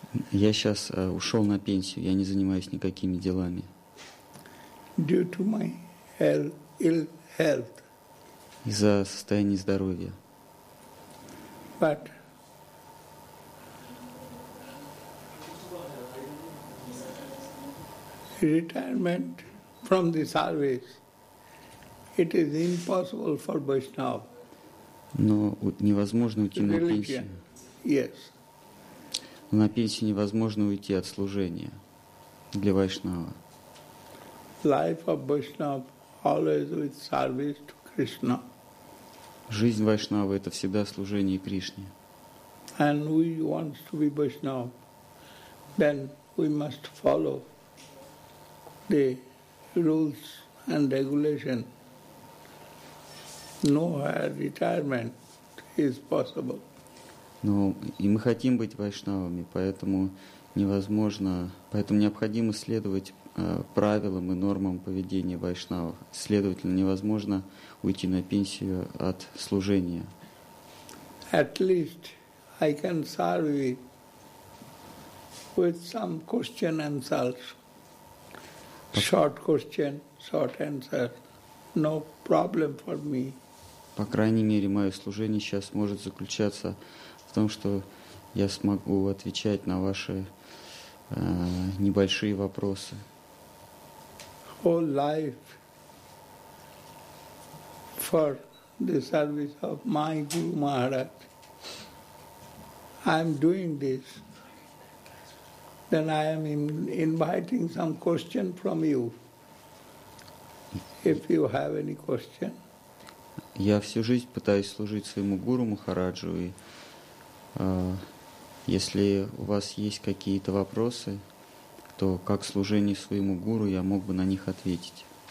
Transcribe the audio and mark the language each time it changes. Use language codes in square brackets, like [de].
[ru] Я сейчас ушел на пенсию, я не занимаюсь никакими делами. [en] Due to my ill health. [ru] Из-за состояния здоровья. [en] But retirement from the service, it is impossible for Vaishnava. [ru] Но невозможно уйти на пенсию. [en] Yes. [ru] На пенсию невозможно уйти от служения для Вайшнава. [en] Life of Vaishnava always with service to Krishna. [ru] Жизнь Вайшнавы – это всегда служение Кришне. [en] And we want to be Vaishnav, then we must follow the rules and regulation. Nowhere retirement is possible. [ru] Но и мы хотим быть Вайшнавами, поэтому невозможно, поэтому необходимо следовать правилам и нормам поведения Вайшнавов. Следовательно, невозможно уйти на пенсию от служения. [en] At least I can serve with some question answers. Short question, short answer. No problem for me. [ru] По крайней мере, мое служение сейчас может заключаться в том, что я смогу отвечать на ваши небольшие вопросы. [en] Whole life for the service of my Guru Maharaj. I am doing this. Then I am inviting some question from you. If you have any question. [ru] Я всю жизнь пытаюсь служить своему Гуру Махараджу, и если у вас есть какие-то вопросы, то как служение своему Гуру я мог бы на них ответить.